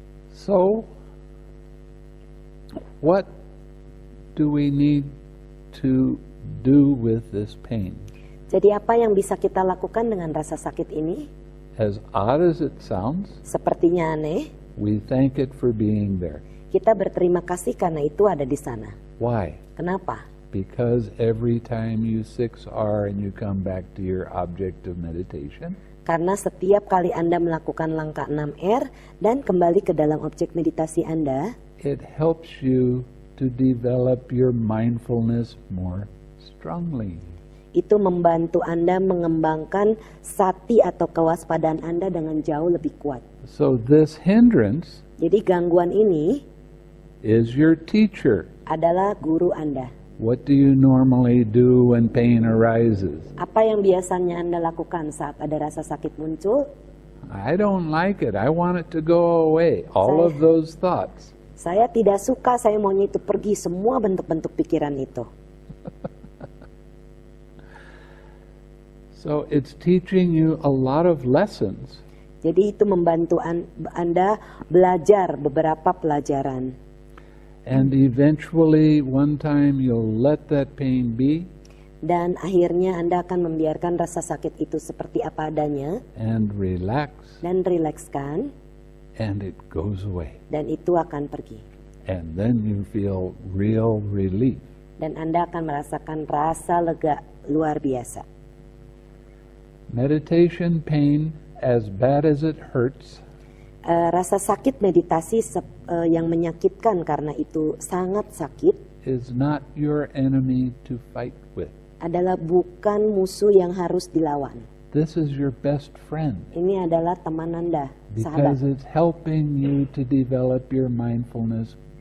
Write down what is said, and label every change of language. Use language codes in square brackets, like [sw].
[en] So, what do we need to do with this pain? [id] Jadi apa yang bisa kita lakukan dengan rasa sakit ini? [en] As odd as it sounds, [id] sepertinya aneh. [en] We thank it for being there. [id] Kita berterima kasih karena itu ada di sana. [en] Why? [id] Kenapa? [en] Because every time you 6R and you come back to your object of meditation. [id] Karena setiap kali Anda melakukan langkah 6R dan kembali ke dalam objek meditasi Anda, [en] it helps you to develop your mindfulness more strongly. [id] Itu membantu Anda mengembangkan sati atau kewaspadaan Anda dengan jauh lebih kuat. [en] So this hindrance, [id] jadi gangguan ini, [en] is your teacher. [id] Adalah guru Anda. [en] What do you normally do when pain arises? [id] Apa yang biasanya Anda lakukan saat ada rasa sakit muncul? [en] I don't like it. I want it to go away. All of those thoughts. [id] Saya tidak suka, saya maunya itu pergi, semua bentuk-bentuk pikiran itu. [en] So it's teaching you a lot of lessons. [id] Jadi itu membantu Anda belajar beberapa pelajaran. [en] And eventually one time you'll let that pain be. [id] Dan akhirnya Anda akan membiarkan rasa sakit itu seperti apa adanya. [en] And relax. [id] Dan rilekskan. [en] And it goes away. [id] Dan itu akan pergi. [en] And then you feel real relief. [id] Dan Anda akan merasakan rasa lega luar biasa. [en] Meditation pain, as bad as it hurts. [id] Rasa sakit meditasi yang menyakitkan karena itu sangat sakit. [en] Is not your enemy to fight with. [id] Adalah bukan musuh yang harus dilawan. [en] This is your best friend. [id] Ini adalah teman Anda, sahabat. [en] Because it's helping you to develop your mindfulness,